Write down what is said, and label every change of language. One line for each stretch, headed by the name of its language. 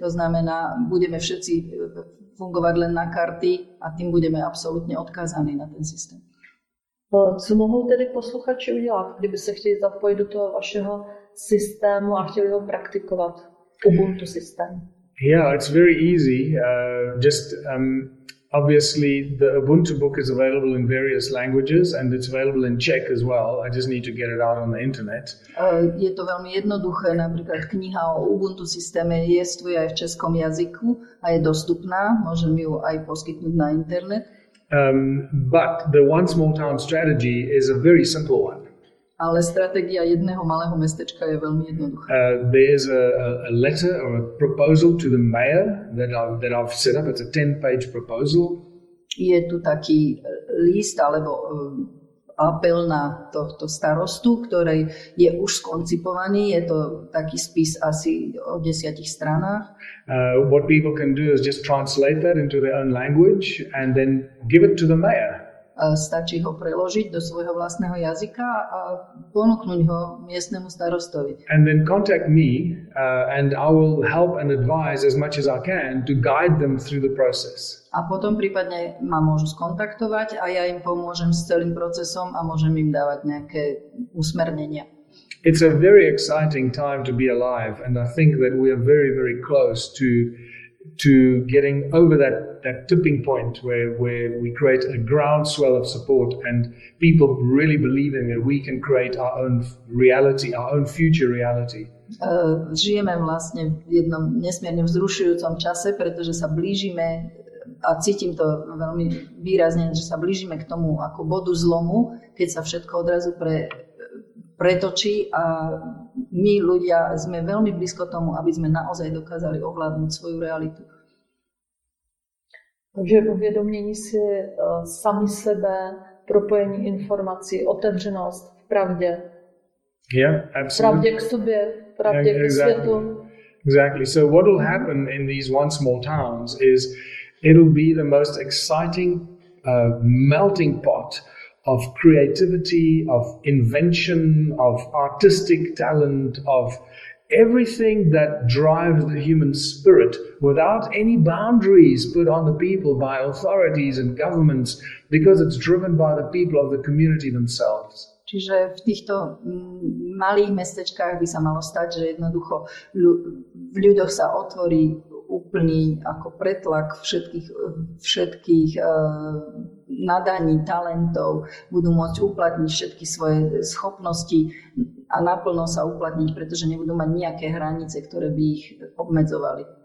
Slovak: To znamená, budeme všetci fungovať len na karty a tým budeme absolútne odkázaní na ten systém.
Czech: Co mohou tedy posluchači udělat, kdyby se chtěli zapojit do toho vašeho systému a chtěli ho praktikovat, Ubuntu systém?
English: Yeah, it's very easy. Just Obviously, the Ubuntu book is available in various languages and it's available in Czech as well. I just need to get it out on the internet.
Slovak: Je to veľmi jednoduché. Napríklad kniha o Ubuntu systéme je aj v českom jazyku a je dostupná. Môžem ju aj poskytnúť na internet.
English: But the one small town strategy is a very simple one.
Slovak: Ale stratégia jedného malého mestečka je veľmi jednoduchá.
English: There is a letter or a proposal to the mayor that I've set up. It's a 10-page proposal.
Slovak: Je tu taký list alebo apel na tohto starostu, ktorý je už skoncipovaný. Je to taký spis asi o 10 stranách.
English: What people can do is just translate that into their own language and then give it to the mayor.
Slovak: Stačí ho preložiť do svojho vlastného jazyka a ponúknuť ho miestnemu starostovi.
English: And then contact me and I will help and advise as much as I can to guide them through the process.
Slovak: A potom prípadne ma môžu skontaktovať a ja im pomôžem s celým procesom a môžem im dávať nejaké usmernenia.
English: It's a very exciting time to be alive and I think that we are very, very close to getting over that tipping point where we create a groundswell of support and people really believing that we can create our own reality, our own future reality.
Slovak: Žijeme vlastne v jednom nesmierne vzrušujúcom čase, pretože sa blížime a cítim to veľmi výrazne, že sa blížime k tomu ako bodu zlomu, keď sa všetko odrazu pretočí a my ľudia sme veľmi blízko tomu, aby sme naozaj dokázali ovládnuť svoju realitu.
Czech: Takže uvědomění si sami sebe, propojení informací, otevřenost v pravdě.
English: Yeah, absolutely.
Czech: Pravdě k sobě, pravdě k světu.
English: Exactly. So what will happen in these one small towns is it'll be the most exciting melting pot of creativity, of invention, of artistic talent, of everything that drives the human spirit without any boundaries put on the people by authorities and governments because it's driven by the people of the community themselves.
Slovak: Čiže v týchto malých mestečkách by sa malo stať, že jednoducho v ľuďoch sa otvorí úplný ako pretlak všetkých nadaní, talentov, budú môcť uplatniť všetky svoje schopnosti a naplno sa uplatniť, pretože nebudú mať nejaké hranice, ktoré by ich obmedzovali.